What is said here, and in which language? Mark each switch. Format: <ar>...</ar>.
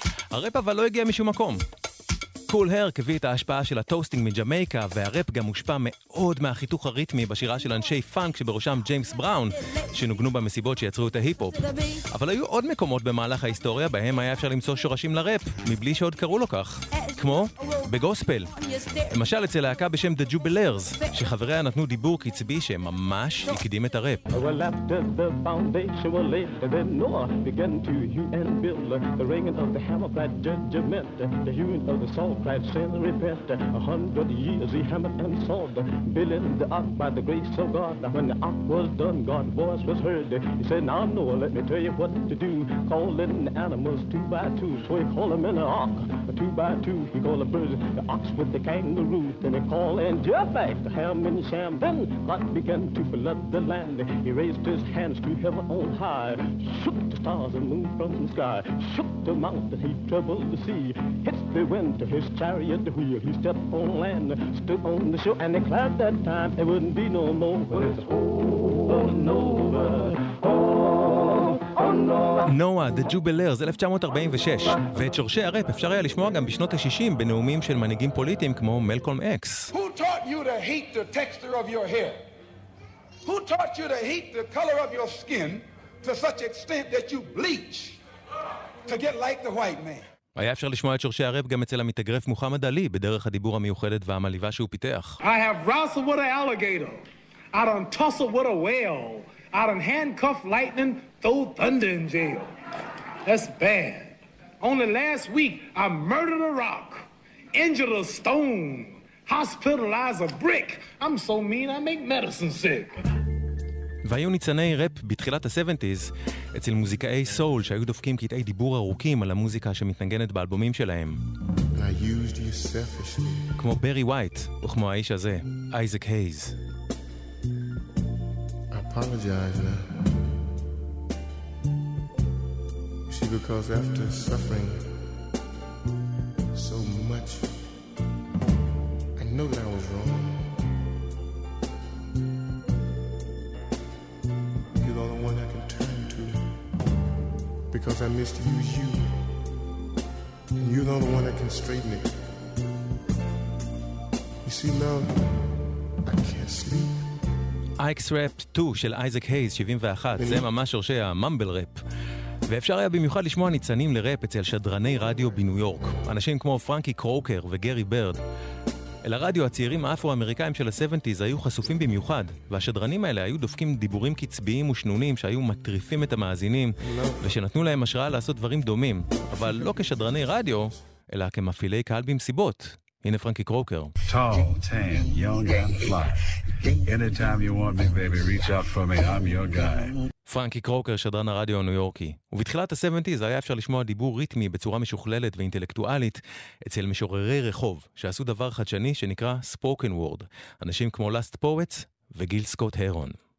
<he>הרפ אבל לא הגיע משום מקום. קול הרק הביא את ההשפעה של הטוסטינג מג'מייקה, והרפ גם הושפע מאוד מהחיתוך הריתמי בשירה של אנשי פאנק שבראשם ג'יימס בראון, שנוגנו במסיבות שיצרו את ההיפ-הופ. אבל היו עוד מקומות במהלך ההיסטוריה בהם היה אפשר למצוא שורשים לרפ, מבלי שעוד קראו לו כך. כמו בגוספל. למשל אצל להקה בשם The Jubilers, שחבריה נתנו דיבור קצבי שממש הקדים את הרפ.</he> <en>Well, after the foundation was laid, then Noah began to hew and build. The ringing of the hammer cried judgment, the hewing of the saw cried sin and repent. 100 years he hammered and sawed, building the ark by the grace of God. Now when the ark was done, God's voice was heard. He said, now Noah, let me tell you what to do. Calling the animals two by two, so he called them in the ark two by two. He called the birds, the ox with the kangaroo. Then he called in Japheth, the ham and the sham. Then God began to flood the land. He raised his hands to heaven on high, shook the stars and moon from the sky, shook the mountain, he troubled the sea. Hit the wind to his chariot wheel, he stepped on land, stood on the shore, and he cried that time it wouldn't be no more. But it's all over.</en> <he>נועה, The Jubilers, 1946, ואת שורשי הרפ אפשר היה לשמוע גם בשנות ה-60 בנאומים של מנהיגים פוליטיים כמו מלקולם אקס.</he> <en>Who taught you to hate the texture of your hair? Who taught you to hate the color of your skin to such extent that you bleach to get like the white man?</en> <he>היה אפשר לשמוע את שורשי הרפ גם אצל המתגרף מוחמד עלי בדרך הדיבור המיוחדת והמליבה שהוא פיתח.</he> <en>I have wrestled with an alligator. I don't tussle with a whale. I done handcuff lightning, throw thunder in jail. That's bad. Only last week, I murdered a rock, injured a stone, hospitalized a brick. I'm so mean, I make medicine sick.</en> <he>והיו ניצני רפ בתחילת ה-70s אצל מוזיקאי סול שהיו דופקים קטעי דיבור ארוכים על המוזיקה שמתנגנת באלבומים שלהם.</he> <en>I used you selfishly.</en> <he>כמו ברי ווייט וכמו האיש הזה, אייזק הייז.</he> <en>Apologize now. You see, because after suffering so much, I know that I was wrong. You're the only one I can turn to, because I missed you, you. And you're the only one that can straighten it. You see, love, I can't sleep.</en> <he>אייקס ראפ 2 של אייזק הייז 71, זה ממש שורשי המאמבל ראפ. ואפשר היה במיוחד לשמוע ניצנים לראפ אצל שדרני רדיו בניו יורק, אנשים כמו פרנקי קרוקר וגרי ברד. אל הרדיו הצעירים האפרו-אמריקאים של ה-70's היו חשופים במיוחד, והשדרנים האלה היו דופקים דיבורים קצביים ושנונים שהיו מטריפים את המאזינים, ושנתנו להם השראה לעשות דברים דומים, אבל לא כשדרני רדיו, אלא כמפעילי קהל במסיבות. הנה פרנקי קרוקר.</he> <en>Tall, tan, young and fly. Anytime you want me, baby, reach out for me. I'm your guy.</en> <he>פרנקי קרוקר, שדרן הרדיו הניו יורקי. ובתחילת ה-70's היה אפשר לשמוע דיבור ריתמי בצורה משוכללת ואינטלקטואלית אצל משוררי רחוב שעשו דבר חדשני שנקרא spoken word. אנשים כמו Last Poets וגיל סקוט הרון.</he>